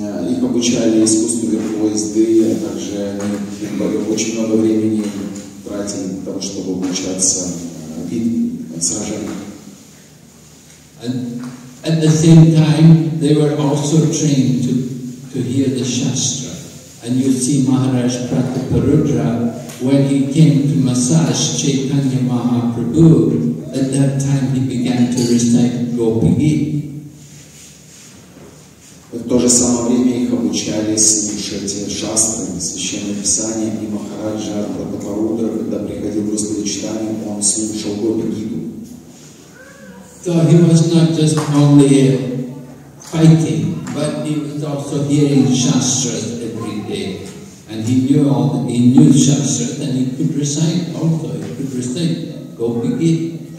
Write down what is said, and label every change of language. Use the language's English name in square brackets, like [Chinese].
[Russian] Их обучали искусству верховой езды, а также они очень много времени тратили на то, чтобы обучаться битве, сражению. [English] At the same time, they were also trained to hear the Shastra. And you see Maharaj Pratapurudra, when he came to massage Chaitanya Mahaprabhu, at that time he began to recite Gopi Gita. [Russian] В то же самое время их обучали слушать шастры, священные писания, и Махарадж Пратапарудра, когда приходил в Господи Читание, он слушал Гопи Гиту. [English] So he was not just only fighting, but he was also hearing shastras every there. And he knew all the, he knew the Shastra, and he could recite also, he could recite Gopi Gita.